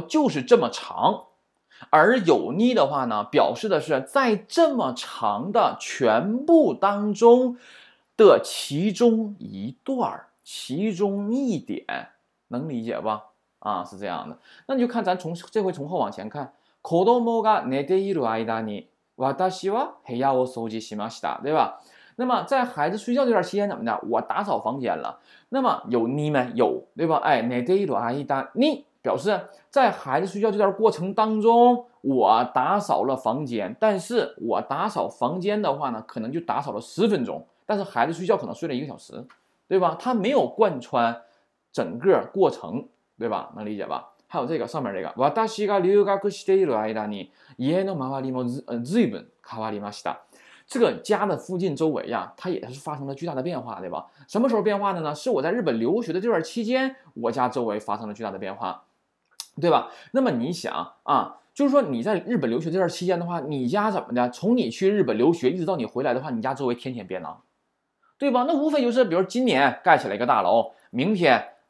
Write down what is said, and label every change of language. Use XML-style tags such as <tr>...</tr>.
<zh>就是这么长。而有你的话呢，表示的是在这么长的全部当中的其中一段，其中一点，能理解吧？啊，是这样的。那你就看咱从这回从后往前看。</zh> <ja>子供が寝ている間に私は部屋を掃除しました，</ja> <zh>对吧？那么在孩子睡觉这段期间怎么的，我打扫房间了。那么有你们有，对吧？哎，</zh> <ja>寝ている間に</ja> <zh>表示在孩子睡觉这段过程当中我打扫了房间，但是我打扫房间的话呢可能就打扫了十分钟，但是孩子睡觉可能睡了一个小时，对吧？他没有贯穿整个过程，对吧？能理解吧？还有这个上面这个，</zh> <ja>私が留学している間に家の周りも随分変わりました。</ja> <zh>这个家的附近周围呀，它也是发生了巨大的变化，对吧？什么时候变化的呢？是我在日本留学的这段期间，我家周围发生了巨大的变化，对吧？那么你想啊，就是说你在日本留学这段期间的话，你家怎么的？从你去日本留学一直到你回来的话，你家周围天天变呢，对吧？那无非就是，比如今年盖起来一个大楼，明天。</zh>